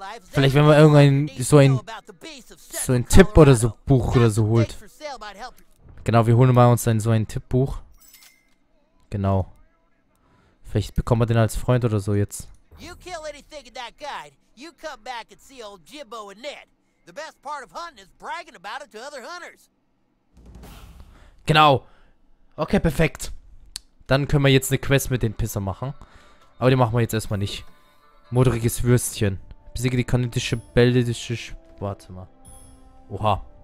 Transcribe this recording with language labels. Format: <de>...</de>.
<de>Vielleicht, wenn wir irgendeinen so ein Tipp oder so Buch oder so holt. Genau, wir holen mal uns einen, so ein Tippbuch. Genau. Vielleicht bekommen wir den als Freund oder so jetzt.</de> <en>You kill anything in that guide. You come back and see old Jimbo and Ned. The best part of hunting is bragging about it to other hunters.</en> <de>Genau. Okay, perfekt. Dann können wir jetzt eine Quest mit den Pisser machen. Aber die machen wir jetzt erstmal nicht. Modriges Würstchen. Besiege die kanadische Bälde. Warte mal. Oha.</de>